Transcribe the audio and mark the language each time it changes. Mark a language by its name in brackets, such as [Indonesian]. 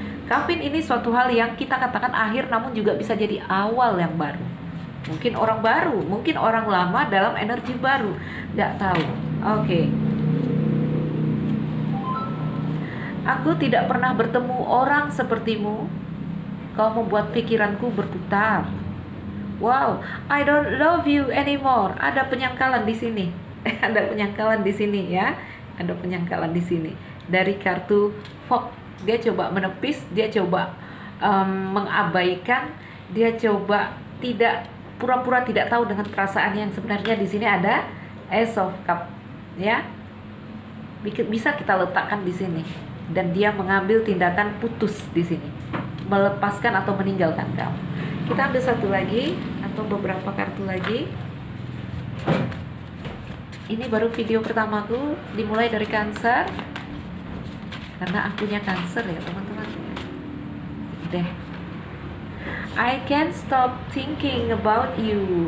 [Indonesian] Kavin ini suatu hal yang kita katakan akhir, namun juga bisa jadi awal yang baru. Mungkin orang baru, mungkin orang lama dalam energi baru, nggak tahu. Oke. Aku tidak pernah bertemu orang sepertimu. Kau membuat pikiranku berputar. [English] Wow, I don't love you anymore. [Indonesian] Ada penyangkalan di sini. Ada penyangkalan di sini ya. Ada penyangkalan di sini. Dari kartu Fox, dia coba menepis, dia coba mengabaikan, dia coba tidak pura-pura tidak tahu dengan perasaan yang sebenarnya di sini ada Ace of Cup, ya. Bisa kita letakkan di sini. Dan dia mengambil tindakan putus di sini, melepaskan atau meninggalkan kamu. Kita ambil satu lagi atau beberapa kartu lagi. Ini baru video pertamaku, dimulai dari Cancer karena akunya Cancer ya teman-teman. [English] Deh, I can't stop thinking about you.